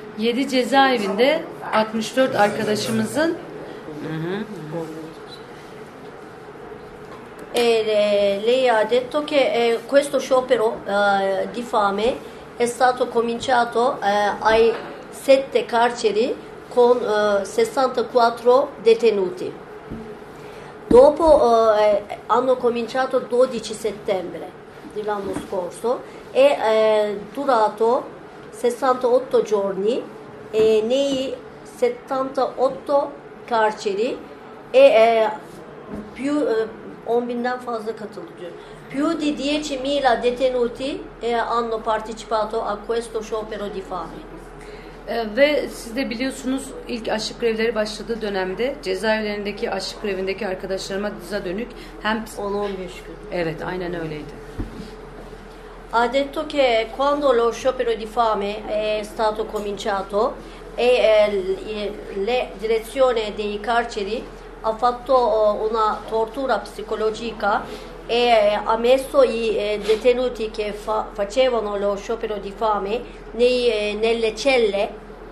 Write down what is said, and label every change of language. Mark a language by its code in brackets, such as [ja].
[tr] 7 cezaevinde 64 arkadaşımızın [it] lei ha detto che questo sciopero di fame è stato cominciato ai 7 carceri con 64 detenuti. Dopo hanno cominciato 12 settembre dell'anno scorso e è durato 68 giorni nei 78 carceri e più [tr] 10.000'dan fazla katılıyor. [it] Più di 10.000 detenuti hanno partecipato a questo sciopero di fame. [tr] Ve siz de biliyorsunuz ilk açlık grevleri başladığı dönemde cezaevlerindeki açlık grevindeki arkadaşlarıma dize dönük hem 10-15 gün. Evet, aynen öyleydi. [it] Ha detto che quando lo sciopero di fame è stato cominciato e la direzione dei carceri ha fatto una tortura psicologica e ha messo i detenuti che facevano lo sciopero di fame nelle celle